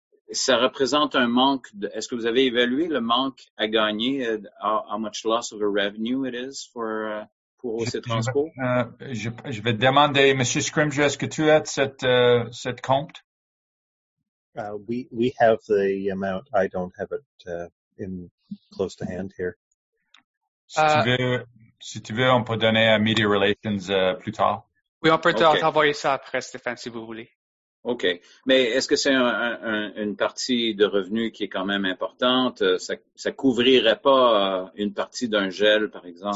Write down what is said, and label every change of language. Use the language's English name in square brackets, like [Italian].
[French] Ça représente un manque. Est-ce que vous avez évalué le manque à gagner? [English] How much loss of a revenue it is for OC Transport? [French] Je vais demander, Monsieur Scrimger, est-ce que tu as cette compte? [English] We have the amount. I don't have it in close to hand here. [French] Si tu veux, on peut donner à Media Relations plus tard. Oui, on peut t'envoyer ça après, Stéphane, si vous voulez. OK. Mais est-ce que c'est une partie de revenus qui est quand même importante? Ça couvrirait pas une partie d'un gel, par exemple?